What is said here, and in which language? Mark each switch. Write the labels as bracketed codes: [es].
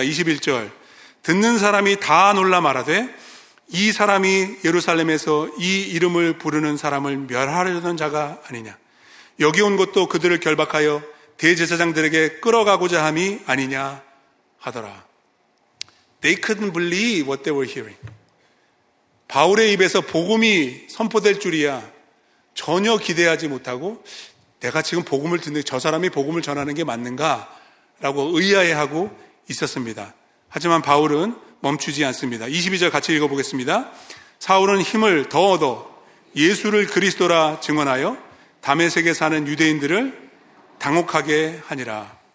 [ko] 21절 듣는 사람이 다 놀라 말하되 이 사람이 예루살렘에서 이 이름을 부르는 사람을 멸하려는 자가 아니냐, 여기 온 것도 그들을 결박하여 대제사장들에게 끌어가고자 함이 아니냐 하더라. [en] They couldn't believe what they were hearing. [ko] 바울의 입에서 복음이 선포될 줄이야 전혀 기대하지 못하고, 내가 지금 복음을 듣는, 저 사람이 복음을 전하는 게 맞는가? 라고 의아해하고 있었습니다. 하지만 바울은 멈추지 않습니다. 22절 같이 읽어보겠습니다. 사울은 힘을 더 얻어 예수를 그리스도라 증언하여 다메섹에 사는 유대인들을 당혹하게 하니라.